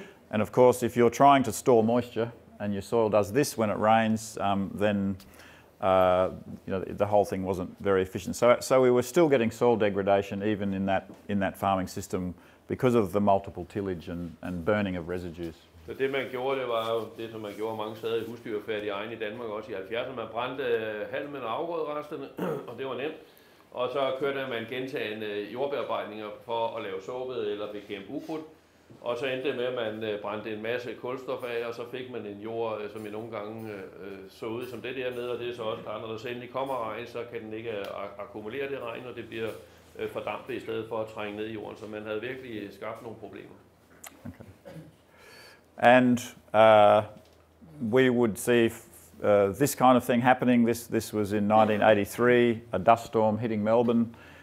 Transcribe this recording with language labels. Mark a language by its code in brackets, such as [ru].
[en] And of course, if you're trying to store moisture and your soil does this when it rains, then the whole thing wasn't very efficient. So we were still getting soil degradation even in that farming system because of the multiple tillage and burning of residues. [da] Så det man gjorde, det var jo det, som man gjorde mange steder i husdyrfærdige egne i Danmark også i 70'erne. Man brændte halmen og afgrøderesterne, og det var nemt. Og så kørte man gentagende jordbearbejdninger for at lave såbet eller bekæmpe ukrudt. Og så endte det med, at man brændte en masse kulstof af, og så fik man en jord, som i nogle gange så ud som det der nede, og det er så også klart, når der så endelig kommer regn, så kan den ikke akkumulere det regn, og det bliver fordampet i stedet for at trænge ned i jorden. Så man havde virkelig skabt nogle problemer. Okay. [en] And we would see this kind of thing happening. This was in 1983, a dust storm hitting Melbourne.